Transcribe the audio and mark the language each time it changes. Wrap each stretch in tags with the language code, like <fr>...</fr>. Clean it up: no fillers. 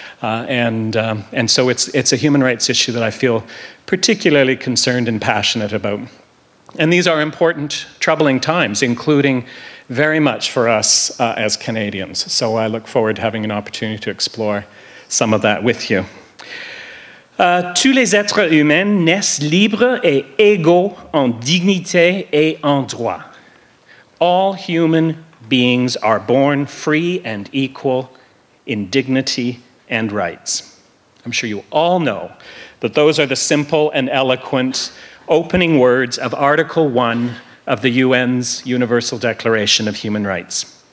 <en>And so it's a human rights issue that I feel particularly concerned and passionate about. And these are important, troubling times, including very much for us as Canadians. So I look forward to having an opportunity to explore some of that with you.</en> <fr>Tous les êtres humains naissent libres et égaux en dignité et en droit.</fr> <en>All human beings are born free and equal in dignity and rights. I'm sure you all know that those are the simple and eloquent opening words of Article 1 of the UN's Universal Declaration of Human Rights.</en>